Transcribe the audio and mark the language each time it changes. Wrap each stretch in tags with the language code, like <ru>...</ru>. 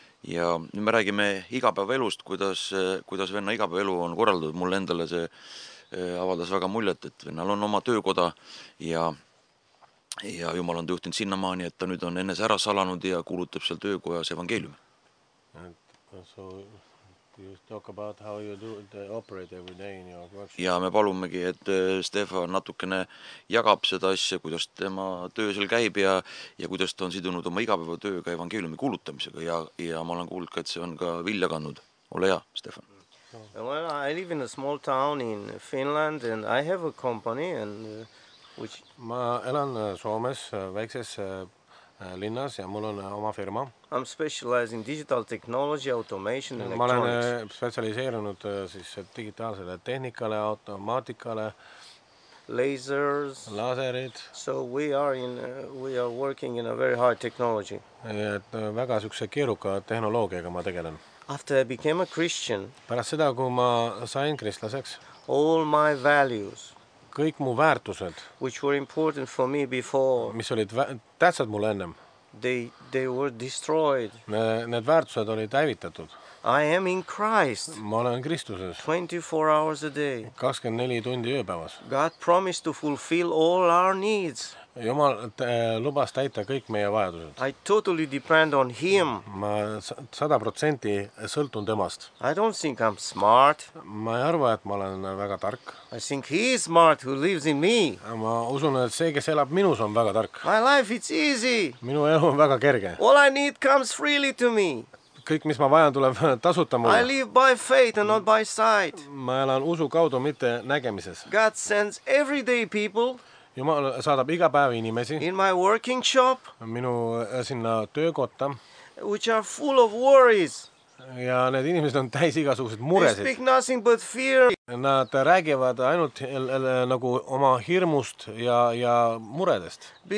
<et>Ja nüüd me räägime igapäevaelust, kuidas venna igapäevaelu on korraldud. Mulle endale see avaldas väga muljet, et vennal on oma töökoda ja Ja Jumal on tõhtinud sinna maani, et ta nüüd on enne ära salanud ja kuulutab seal töökojas evangeeliumi.</et> <en>So you talk about how you do the operate every day in your workshop.</en> <et>Ja me palumegi, et Stefan natukene jagab seda asja, kuidas tema töösel käib ja kuidas ta on sidunud oma igapäeva tööga evangeeliumi kuulutamisega ja ma olen kuulnud, et see on ka vilja kannud. Ole hea, Stefan.</et> <en>Well, I live in a small town in Finland and I have a company and which</en> <et>ma elan Soomes väikses linnas ja mul on oma firma.</et> <en>I'm specialized in digital technology, automation and</en> <et>electronics. Ma olen spetsialiseerunud siis digitaalsele tehnikale, automaatikale,</et> <en>lasers,</en> <et>laserid.</et> <en>So we are working in a very high technology.</en> <et>Et väga sükse keeruka tehnoloogiaga ma tegelen.</et> <en>After I became a Christian,</en> <et>pärast seda, kui ma sain kristlaseks,</et> <en>all my values,</en> <et>kõik mu väärtused,</et> <en>which were important for me before,</en> <et>mis olid tähtsad mulle ennem,</et> <en>they were destroyed.</en> <et>Need väärtused olid hävitatud.</et> <en>I am in Christ.</en> <et>Ma olen Kristuses.</et> <en>24 hours a day.</en> <et>24 tundi ööpäevas.</et> <en>God promised to fulfill all our needs.</en> <et>Jumal lubas täita kõik meie vajadused.</et> <en>I totally depend on him.</en> <et>Ma 100% sõltun temast.</et> <en>I don't think I'm smart.</en> <et>Ma ei arva, et ma olen väga tark.</et> <en>I think he is smart who lives in me.</en> <et>Ma usun, et see, kes elab minus, on väga tark.</et> <en>My life is easy.</en> <et>Minu elu on väga kerge.</et> <en>All I need comes freely to me.</en> <et>Kõik, mis ma vajan, tuleb tasuta mulle.</et> <en>I live by faith and not by sight.</en> <et>Ma elan usu kaudu, mitte nägemises.</et> <en>God sends everyday people.</en> <et>Jumal saadab iga päev inimesi.</et> <en>In my working shop.</en> <et>Minu sinna töökotta.</et> <en>Which are full of worries.</en> <et>Ja need inimesed on täis igasugused muresid.</et> <en>They speak nothing but fear.</en> <et>Nad räägivad ainult nagu oma hirmust ja muredest.</et>